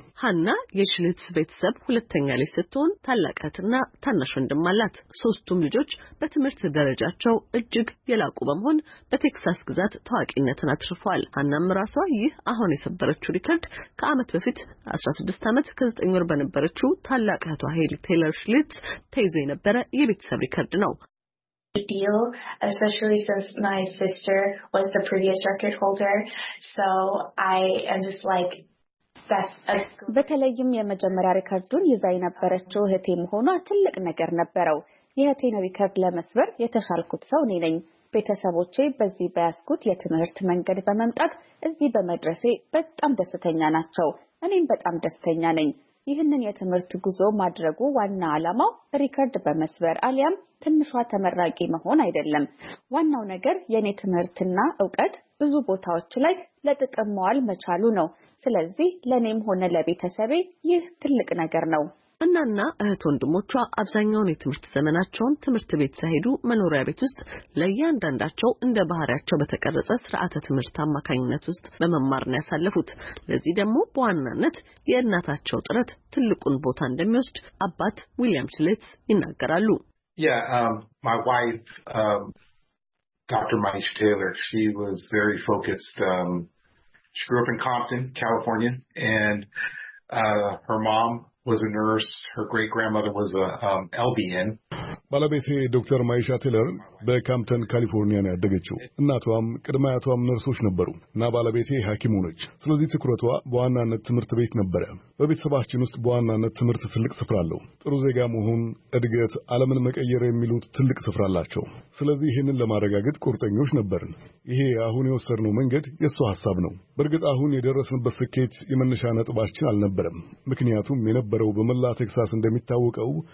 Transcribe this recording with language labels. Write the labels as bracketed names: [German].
[Amharic] ሃና የሽሊትዝ ቤተሰብ ሁለተኛ ልጅ ስትሆን ታላቅና ታናሽ ወንድም አላት። ሶስቱም ልጆች በትምህርት ደረጃቸው እጅግ የላቁ በመሆን በቴክሳስ ግዛት ታዋቂነትን አትርፈዋል። ሃናም ራሷ ይህ አሁን የሰበረችው ሪከርድ ከአመት በፊት 16 ዓመት ከ9 ወር በነበረችው ታላቅ እህቷ ሄሊ ቴይለር ሽሊትዝ ተይዞ የነበረ የቤተሰብ ሪከርድ ነው። [English] Deal, especially since my sister was the previous record holder, so I am just like [Amharic] በተለይም የመጀመሪያ ሪከርዱን ይዛ የነበረችው እህቴም ሆና ትልቅ ነገር ነበረው። የእህቴን ሪከርድ ለመስበር የተሻልኩት ሰው እኔ ነኝ። ቤተሰቦቼ በዚህ በያስኩት የትምህርት መንገድ በመምጣት እዚህ በመድረሴ በጣም ደስተኛ ናቸው። እኔም በጣም ደስተኛ ነኝ። ይህንን የትምህርት ጉዞ ማድረጉ ዋና ዓላማው ሪከርድ በመስበር አሊያም ትንሿ ተመራቂ መሆን አይደለም። ዋናው ነገር የኔ ትምህርትና እውቀት ብዙ ቦታዎች ላይ ለጥቅም መዋል መቻሉ ነው። ስለዚህ ለኔም ሆነ ለቤተሰቤ ይህ ትልቅ ነገር ነው። እናና እህት ወንድሞቿ አብዛኛውን የትምህርት ዘመናቸውን ትምህርት ቤት ሳይሄዱ መኖሪያ ቤት ውስጥ ለእያንዳንዳቸው እንደ ባህሪያቸው በተቀረጸ ስርዓተ ትምህርት አማካኝነት ውስጥ በመማር ነው ያሳለፉት። ለዚህ ደግሞ በዋናነት የእናታቸው ጥረት ትልቁን ቦታ እንደሚወስድ አባት ዊሊያም ስሌት ይናገራሉ። [English] Dr. Maisha Taylor, she was very focused. She grew up in Compton, California, and her mom was a nurse. Her great-grandmother was a LVN. [Amharic] ባለቤቴ ዶክተር ማይሻ ቴለር በካምፕተን ካሊፎርኒያ ነው ያደገችው። እናቷም ቅድመ አያቷም ነርሶች ነበሩ እና ባለቤቴ ሐኪም ሆነች። ስለዚህ ትኩረቷ በዋናነት ትምህርት ቤት ነበረ። በቤተሰባችን ውስጥ በዋናነት ትምህርት ትልቅ ስፍራ አለው። ጥሩ ዜጋ መሆን፣ እድገት፣ ዓለምን መቀየር የሚሉት ትልቅ ስፍራ አላቸው። ስለዚህ ይህንን ለማረጋገጥ ቁርጠኞች ነበርን። ይሄ አሁን የወሰድነው መንገድ የእሱ ሐሳብ ነው። በእርግጥ አሁን የደረስንበት ስኬት የመነሻ ነጥባችን አልነበረም። ምክንያቱም የነበረው በመላ ቴክሳስ እንደሚታወቀው